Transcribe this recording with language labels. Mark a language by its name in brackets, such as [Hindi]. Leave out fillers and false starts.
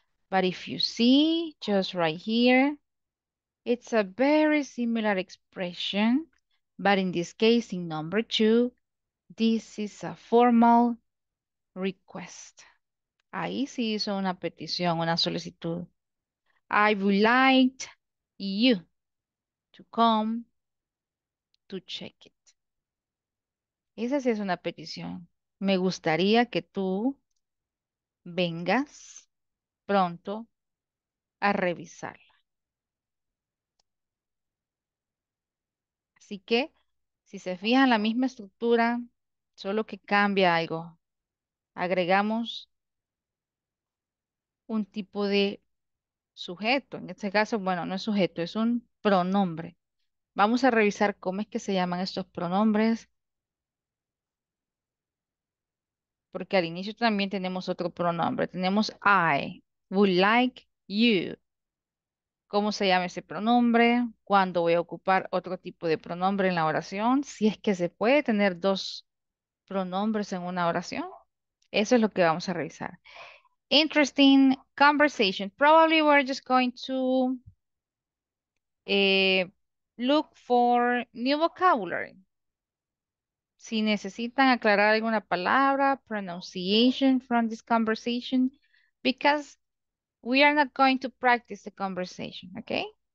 [English] But if you see just right here, it's a very similar expression, but in this case, in number two, this is a formal request. [Spanish] Ahí sí hizo una petición, una solicitud. [English] I would like you to come to check it. [Spanish] Esa sí es una petición. Me gustaría que tú vengas pronto a revisarla. Así que, si se fijan, la misma estructura, solo que cambia algo. Agregamos un tipo de sujeto. En este caso, bueno, no es sujeto, es un pronombre. Vamos a revisar cómo es que se llaman estos pronombres. Porque al inicio también tenemos otro pronombre. Tenemos [English] I, would like you. [Spanish] cómo se llama ese pronombre, cuándo voy a ocupar otro tipo de pronombre en la oración, si es que se puede tener dos pronombres en una oración. Eso es lo que vamos a revisar. [English] Interesting conversation. Probably we're just going to look for new vocabulary. [Spanish] Si necesitan aclarar alguna palabra, [English] pronunciation from this conversation, because we are not going to practice the conversation, okay?